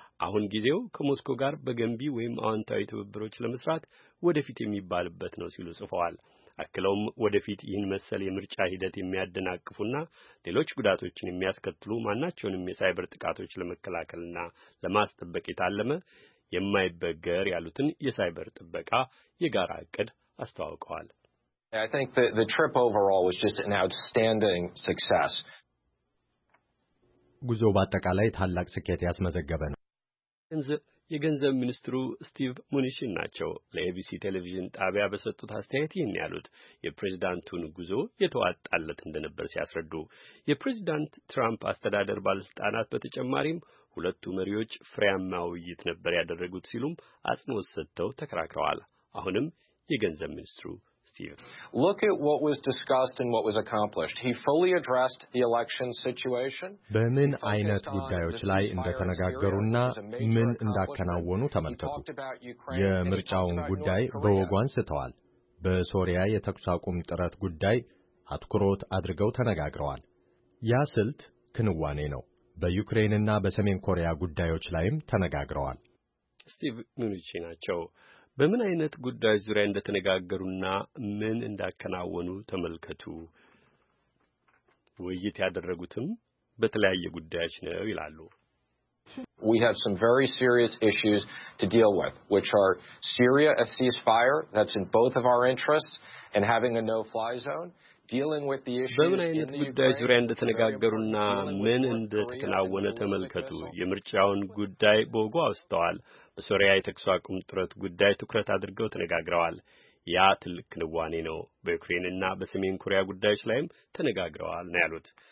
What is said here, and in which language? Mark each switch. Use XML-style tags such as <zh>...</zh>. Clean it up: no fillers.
<am>አሁን ጊዜው ከሞስኮ ጋር በገንቢ ወይም አዎንታዊ ትብብሮች ለመስራት ወደፊት የሚባልበት ነው ሲሉ ጽፈዋል። አክለውም ወደፊት ይህን መሰል የምርጫ ሂደት የሚያደናቅፉና ሌሎች ጉዳቶችን የሚያስከትሉ ማናቸውንም የሳይበር ጥቃቶች ለመከላከልና ለማስጠበቅ የታለመ የማይበገር ያሉትን የሳይበር ጥበቃ የጋራ እቅድ አስተዋውቀዋል።</am> <en>I think the trip overall was just an outstanding success.</en> <am>ጉዞው በአጠቃላይ ታላቅ ስኬት ያስመዘገበ ነው። የገንዘብ ሚኒስትሩ ስቲቭ ሙኒሽን ናቸው ለኤቢሲ ቴሌቪዥን ጣቢያ በሰጡት አስተያየት ይህን ያሉት። የፕሬዝዳንቱን ጉዞ የተዋጣለት እንደነበር ሲያስረዱ የፕሬዝዳንት ትራምፕ አስተዳደር ባለስልጣናት በተጨማሪም ሁለቱ መሪዎች ፍሬያማ ውይይት ነበር ያደረጉት ሲሉም አጽንኦት ሰጥተው ተከራክረዋል። አሁንም የገንዘብ ሚኒስትሩ ስቲቭ</am> <en>Look at what was discussed and what was accomplished. He fully addressed the election situation.</en> <am>በምን አይነት ጉዳዮች ላይ እንደተነጋገሩና ምን እንዳከናወኑ ተመልከቱ። የምርጫውን ጉዳይ በወጓን ስተዋል። በሶሪያ የተኩስ አቁም ጥረት ጉዳይ አትኩሮት አድርገው ተነጋግረዋል። ያ ስልት ክንዋኔ ነው። በዩክሬንና በሰሜን ኮሪያ ጉዳዮች ላይም ተነጋግረዋል። ስቲቭ ሙኒቺ ናቸው። በምን አይነት ጉዳይ ዙሪያ እንደተነጋገሩና ምን እንዳከናወኑ ተመልከቱ። ውይይት ያደረጉትም በተለያየ ጉዳዮች ነው ይላሉ።</am> <en>We have some very serious issues to deal with, which are Syria, a ceasefire that's in both of our interests, and having a no-fly zone. Dealing with the issues in Ukraine.</en> <am>በምን አይነት ጉዳይ ዙሪያ እንደተነጋገሩና ምን እንደተከናወነ ተመልከቱ። የምርጫውን ጉዳይ በወጉ አውስተዋል። በሶሪያ የተኩስ አቁም ጥረት ጉዳይ ትኩረት አድርገው ተነጋግረዋል። ያ ትልቅ ክንዋኔ ነው። በዩክሬንና በሰሜን ኮሪያ ጉዳዮች ላይም ተነጋግረዋል ነው ያሉት።</am>